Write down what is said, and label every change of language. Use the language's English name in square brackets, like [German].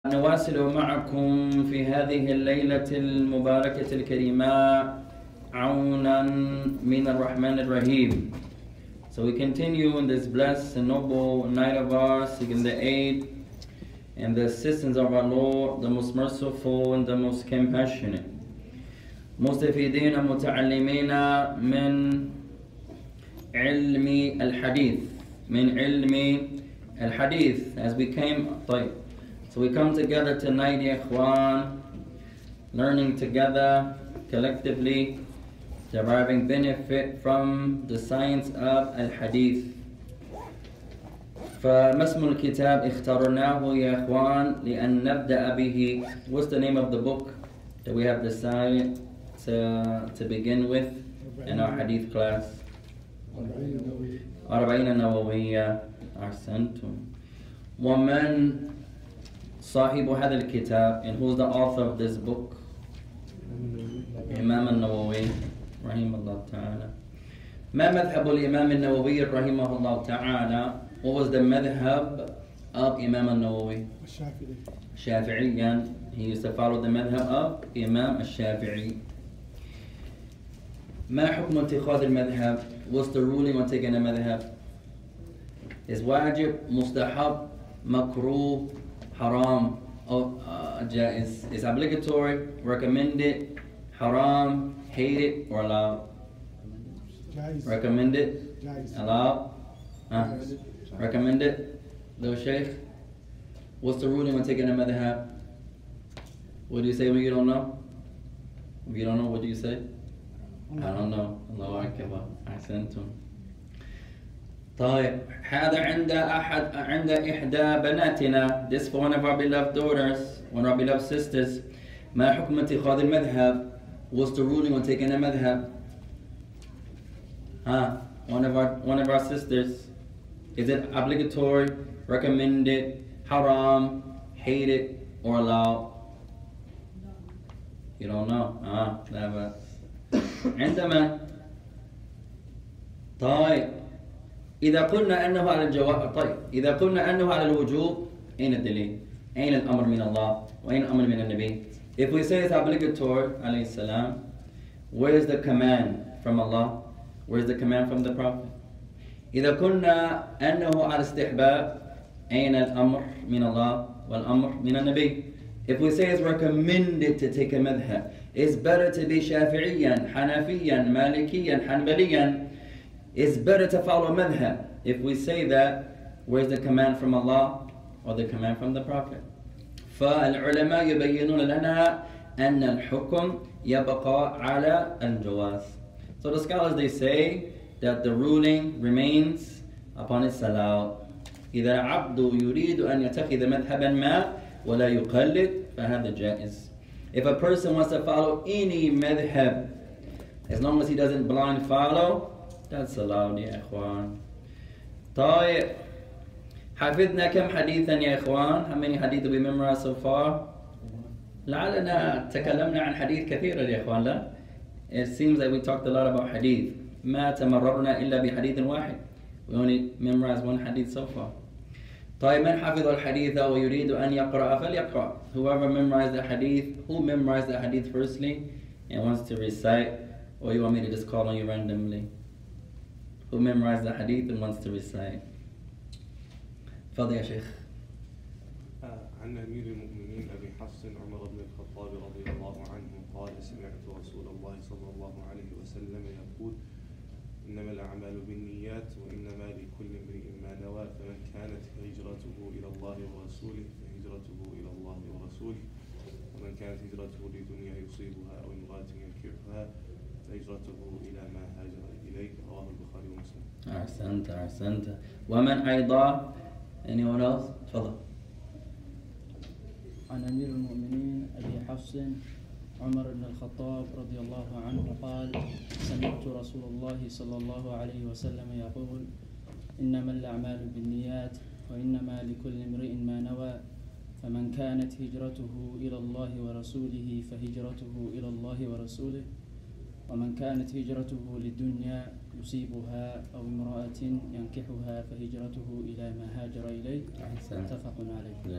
[Arabic] نواصل معكم في هذه الليلة المباركة الكريمة عونا من الرحمن الرحيم. [English] So we continue in this blessed and noble night of ours, seeking the aid and the assistance of our Lord, the most merciful and the most compassionate. [Arabic] مستفيدين متعلمين من علم الحديث من علم الحديث [English] as we came [Arabic] طيب. [English] So we come together tonight, [Arabic] ya ikhwan, [English] learning together, collectively, deriving benefit from the science of al-hadith. [Arabic] فَمَسْمُ الْكِتَابِ اخْتَرْنَاهُ يَا إِخْوَانِ لِأَنْ نَبْدَأَ بِهِ. [English] What's the name of the book that we have decided to begin with in our hadith class? [Arabic] أَرْبَعِينَ النَّوَوِيَّ أَحْسَنْتُمْ وَمَنْ صاحب هذا الكتاب. [English] And who's the author of this book? [Arabic] Imam al-Nawawi rahimahullah ta'ala. ما مذهب الإمام النووي رحمه الله تعالى? [English] What was the madhab of Imam al-Nawawi? Shafi'i. Shafi'i. He used to follow the madhab of Imam al-Shafi'i. [Arabic] ما حكم اتخاذ المذهب? [English] What's the ruling on taking a madhab? Is [Arabic] wajib, mustahab, makruh, haram, [English] is obligatory, recommended, haram, hated, or allowed? [Arabic] Jais. [English] Recommended? [Arabic] Jais. [English] Allowed? [Arabic] Jais. [English] Recommended? Little Sheikh, what's the ruling when taking a madhab? What do you say when you don't know? If you don't know, what do you say? I don't know. Allahu Akbar. I sent him. [Arabic] طيب هذا عند أحد عند إحدى بناتنا. [English] This for one of our beloved daughters, one of our beloved sisters. [Arabic] ما حكم اتخاذ المذهب? [English] What's the ruling on taking a madhab? Huh? One of our sisters. Is it obligatory, recommended, haram, hated, or allowed? You don't know. Never. [Arabic] عندما طيب إذا قلنا أنه على الجواب طيب إذا قلنا أنه على الوجوب أين الدليل أين الأمر من الله وأين الأمر من النبي. [English] If we say it's obligatory [Arabic] عليه السلام, [English] where is the command from Allah? Where is the command from the Prophet? [Arabic] إذا قلنا أنه على استحباب أين الأمر من الله والأمر من النبي. [English] If we say it's recommended to take a madhab, it's better to be [Arabic] شافعيا حنفيا مالكيا حنبليا. [English] It's better to follow madhab. If we say that, where's the command from Allah or the command from the Prophet? [Arabic] فالعلماء يبينون لنا أن الحكم يبقى على الجواز. [English] So the scholars, they say that the ruling remains upon its allowed. [Arabic] إذا عبد يريد أن يتخذ مذهبا ما ولا يقلد فهذا جائز. [English] If a person wants to follow any madhab, as long as he doesn't blind follow, that's allowed, [Arabic] ya ikhwan. طيب حفظنا كم حديثا يا إخوان? [English] How many hadith we memorized so far? [Arabic] لعلنا تكلمنا عن حديث كثيرا يا إخوان. لا, [English] it seems that we talked a lot about hadith. [Arabic] ما تمررنا إلا بحديث واحد. [English] We only memorized one hadith so far. [Arabic] طيب من حفظ الحديث ويريد أن يقرأ فليقرأ. [English] Whoever memorized the hadith, who memorized the hadith firstly and wants to recite, or you want me to just call on you randomly? Who memorized the hadith and wants to recite? [Arabic] Fadhi ya Sheikh. عن أمير المؤمنين أبي حفص عمر بن الخطاب رضي الله عنه قال سمعت رسول الله صلى الله عليه وسلم يقول إنما الأعمال بالنيات وإنما لكل امرئ ما نوى فمن كانت هجرته إلى الله ورسوله فهجرته إلى الله ورسوله ومن كانت هجرته لدنيا يصيبها أو امرأة ينكحها فهجرته إلى ما هاجر إليه رواه البخاري ومسلم. أحسنت أحسنت. ومن أيضا [English] anyone else? [Arabic] تفضل. عن أمير المؤمنين أبي حفص عمر بن الخطاب رضي الله عنه قال سمعت رسول الله صلى الله عليه وسلم يقول إنما الأعمال بالنيات وإنما لكل امرئ ما نوى فمن كانت هجرته إلى الله ورسوله فهجرته إلى الله ورسوله ومن كانت هجرته للدنيا يصيبها أو امرأة ينكحها فهجرته إلى ما هاجر إليه. متفق عليه.